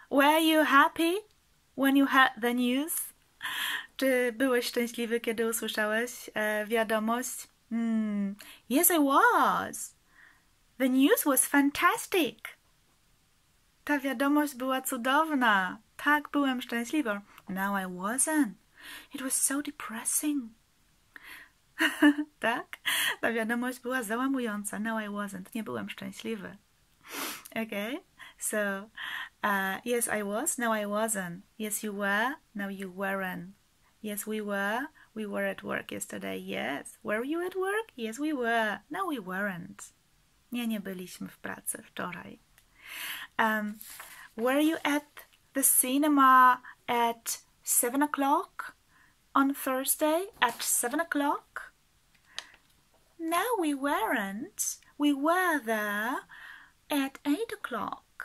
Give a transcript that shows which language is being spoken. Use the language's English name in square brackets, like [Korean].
[English] Were you happy when you heard the news? [Polish] Czy byłeś szczęśliwy, kiedy usłyszałeś wiadomość? [English] Yes, I was. The news was fantastic. [Polish] Ta wiadomość była cudowna. Tak, byłem szczęśliwy. [English] No, I wasn't. It was so depressing. Tak? [Polish] Ta wiadomość była załamująca. [English] No, I wasn't. [Polish] Nie byłem szczęśliwy. [English] Okay? So, yes, I was. No, I wasn't. Yes, you were. No, you weren't. Yes, we were. We were at work yesterday. Yes. Were you at work? Yes, we were. No, we weren't. [Polish] Nie, nie byliśmy w pracy wczoraj. [English] Were you at the cinema at 7 o'clock on Thursday at 7 o'clock? No, we weren't. We were there at 8 o'clock.